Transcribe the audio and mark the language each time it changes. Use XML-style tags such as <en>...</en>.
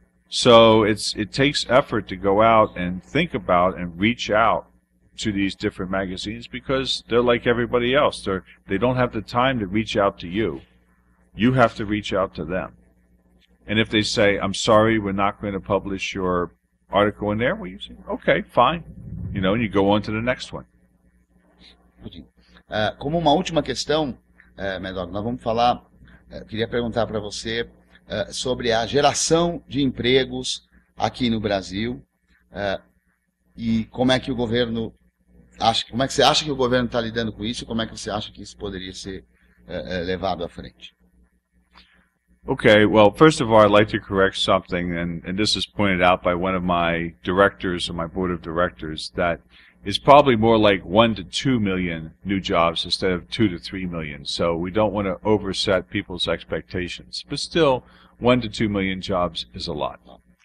<en>So it takes effort to go out and think about and reach out to these different magazines, because they're like everybody else. They don't have the time to reach out to you. You have to reach out to them. And if they say, I'm sorry, we're not going to publish your article in there, well, you say, okay, fine. You know, and you go on to the next one.</en> <pt>Como uma última questão, Maddog, nós vamos falar, queria perguntar para você sobre a geração de empregos aqui no Brasil e como é que o governo acha, como é que você acha que o governo está lidando com isso e como é que você acha que isso poderia ser levado à frente.</pt> <en>Okay, well, first of all, I'd like to correct something, and this is pointed out by one of my directors on my board of directors, that it's probably more like 1 to 2 million new jobs instead of 2 to 3 million. So we don't want to overset people's expectations. But still, 1 to 2 million jobs is a lot.</en>